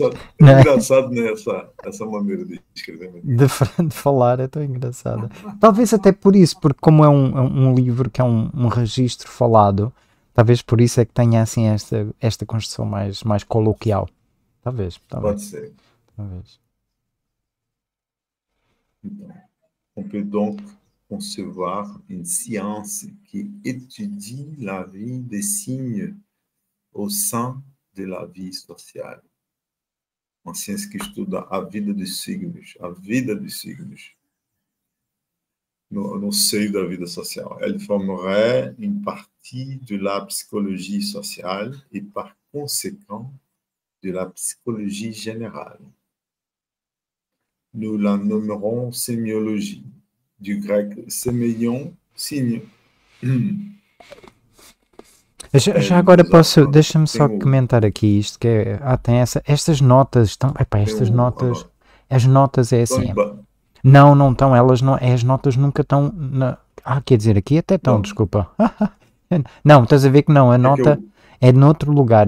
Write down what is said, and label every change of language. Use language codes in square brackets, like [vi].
[pt] é engraçado, né? Essa maneira de escrever. De falar é tão engraçada. Talvez até por isso, porque como é um livro que é um registro falado, talvez por isso é que tenha assim esta construção mais coloquial. Talvez, talvez. Pode ser. Talvez. [fr] Então, on peut donc concevoir une science qui étudie la vie des signes au sein de la vie sociale. [pt] Uma ciência que estuda a vida dos signos, a vida dos signos, no seio da vida social. [fr] Ela formerait une partie de la psychologie sociale et par conséquent de la psychologie générale. Nous la nommerons sémiologie, du grec sémillon, signe. [pt] Já agora posso, deixa-me só comentar aqui isto, que tem estas notas, estão, estas notas, as notas é assim, não, não estão, elas não, as notas nunca estão, quer dizer, aqui até estão, não. Desculpa, não, estás a ver que não, a nota... É noutro lugar.